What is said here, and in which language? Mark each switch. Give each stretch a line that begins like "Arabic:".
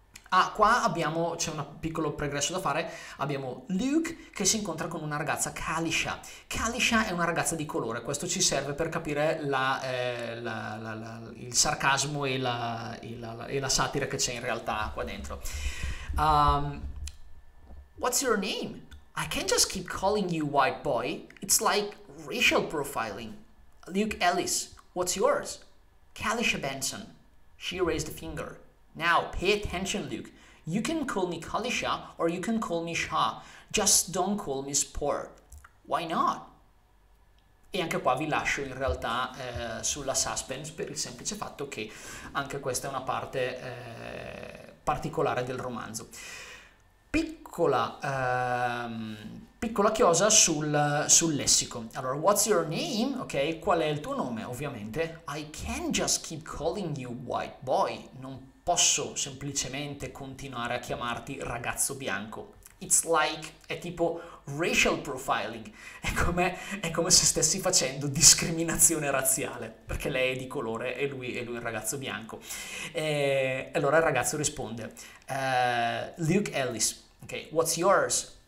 Italian: Ah, qua abbiamo, c'è un piccolo progresso da fare, abbiamo Luke che si incontra con una ragazza, Kalisha. Kalisha è una ragazza di colore, questo ci serve per capire il sarcasmo e la satira che c'è in realtà qua dentro.
English: What's your name? I can't just keep calling you white boy, it's like racial profiling. Luke Ellis, what's yours? Kalisha Benson. She raised a finger. Now, pay attention, Luke. You can call me Kalisha or you can call me Shah. Just don't call me Sport. Why not?
Italian: E anche qua vi lascio in realtà sulla suspense per il semplice fatto che anche questa è una parte particolare del romanzo. Piccola chiosa sul lessico. Allora,
English: what's your name?
Italian: Ok, qual è il tuo nome? Ovviamente,
English: I can just keep calling you white boy.
Italian: Non posso semplicemente continuare a chiamarti ragazzo bianco.
English: It's like,
Italian: è tipo racial profiling, è come se stessi facendo discriminazione razziale, perché lei è di colore e lui è un ragazzo bianco. E allora il ragazzo risponde, Luke Ellis, ok,
English: what's yours?